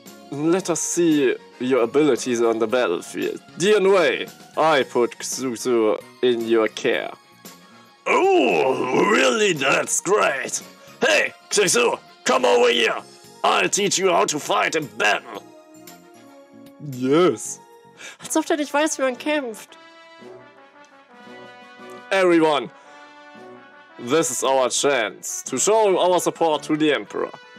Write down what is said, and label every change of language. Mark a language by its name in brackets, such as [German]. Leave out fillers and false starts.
[English] Let us see your abilities on the battlefield. Dian Wei, I put Xuxu in your care. Oh, really? That's great. Hey, Xuxu, come over here. I'll teach you how to fight in battle. Yes. [German] Als ob der nicht weiß, wie man kämpft. [English] Everyone, this is our chance to show our support to the Emperor.